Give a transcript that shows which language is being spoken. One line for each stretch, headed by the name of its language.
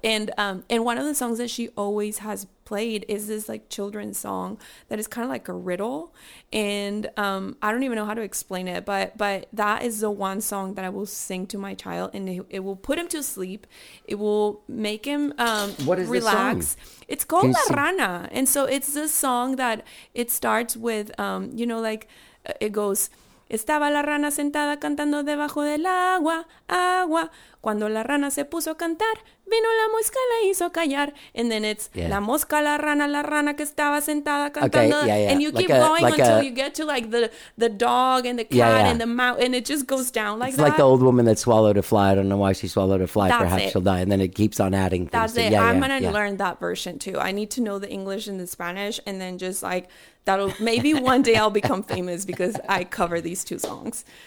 English: And and one of the songs that she always has played is this like children's song that is kind of like a riddle, and I don't even know how to explain it, but that is the one song that I will sing to my child, and it will put him to sleep. It will make him what is relax. The song? It's called La Rana, and so it's this song that it starts with, you know, like it goes,
Spanish: Estaba la rana sentada cantando debajo del agua, agua. Cuando la rana se puso a cantar, vino la mosca y la hizo callar.
English: And then it's la mosca, la rana que estaba sentada cantando. Okay, yeah, yeah. And you keep going like until you get to like the dog and the cat and the mouse, and it just goes down like it's that. It's like the old woman that swallowed a fly. I don't know why she swallowed a fly. Perhaps she'll die. And then it keeps on adding things. That's it. I'm going to learn that version too. I need to know the English and the Spanish, and then just like, that'll maybe one day I'll become famous because I cover these two songs.